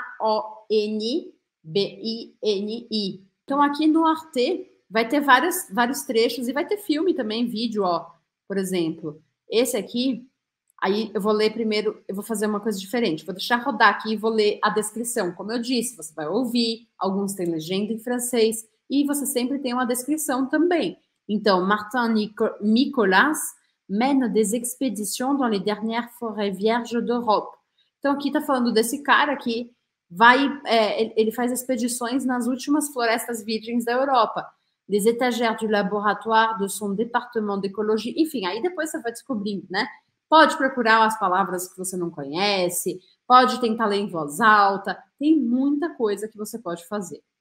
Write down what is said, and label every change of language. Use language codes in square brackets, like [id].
[pt] K-O-N-B-I-N-I. Então, aqui no Arte, vai ter vários trechos e vai ter filme também, vídeo, ó. Por exemplo, esse aqui, aí eu vou ler primeiro, eu vou fazer uma coisa diferente. Vou deixar rodar aqui e vou ler a descrição. Como eu disse, você vai ouvir, alguns têm legenda em francês e você sempre tem uma descrição também. Então, [fr] Martin Nicolas mène des expéditions dans les dernières forêts vierges d'Europe. [pt] Então, aqui está falando desse cara que vai, ele faz expedições nas últimas florestas virgens da Europa. [fr] Les étagères du laboratoire de son département d'écologie. [pt] Enfim, aí depois você vai descobrindo, né? pode procurar as palavras que você não conhece, pode tentar ler em voz alta, tem muita coisa que você pode fazer.